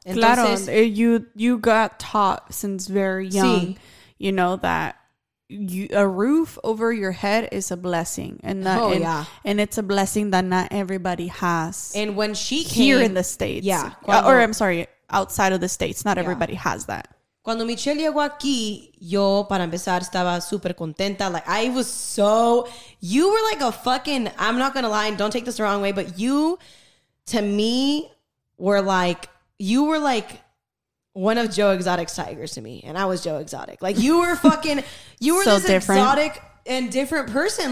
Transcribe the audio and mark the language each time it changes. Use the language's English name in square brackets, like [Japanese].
[Spanish] Entonces, claro, [English] you got taught since very young, you know, that a roof over your head is a blessing, and it's a blessing that not everybody has. And when she came here in the States, yeah, outside of the States, not everybody has that. [Spanish] Cuando Michelle llegó aquí, yo para empezar estaba super contenta. [English] Like I was so, you were like a fucking, I'm not gonna lie, and don't take this the wrong way, but you to me were like, you were like one of Joe Exotic's tigers to me, and I was Joe Exotic. Like you were fucking, you were so this different. Exotic and different person.